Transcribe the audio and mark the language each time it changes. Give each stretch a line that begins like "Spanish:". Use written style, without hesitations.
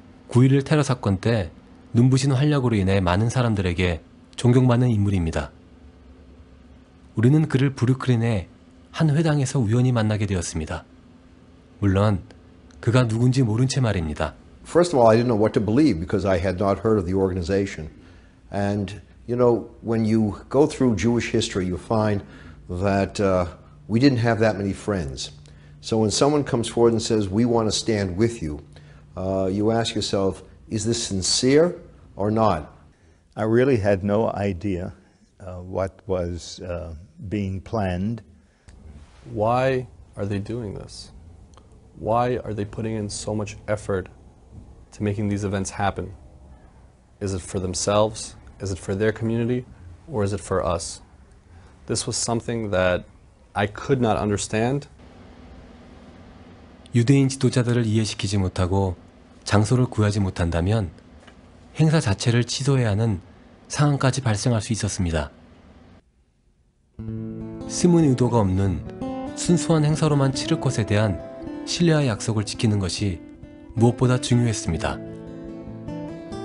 Korean: 9.11 테러 사건 때 눈부신 활력으로 인해 많은 사람들에게 존경받는 인물입니다. 우리는 그를 브루클린의 한 회당에서 우연히 만나게 되었습니다. 물론 그가 누군지 모른 채 말입니다.
English: First of all, I didn't know what to believe because I had not heard of the organization. And, you know, when you go through Jewish history, you find that we didn't have that many friends. So when someone comes forward and says, we want to stand with you, you ask yourself, is this sincere or not? I really had no idea what was being planned. Why are they doing this? Why are they putting in so much effort to making these events happen? Is it for themselves? Is it for their community or is it for us? This was something that I could not understand.
Korean: 유대인 지도자들을 이해시키지 못하고 장소를 구하지 못한다면 행사 자체를 취소해야 하는 상황까지 발생할 수 있었습니다. 숨은 의도가 없는 순수한 행사로만 치를 것에 대한 신뢰와 약속을 지키는 것이 무엇보다 중요했습니다.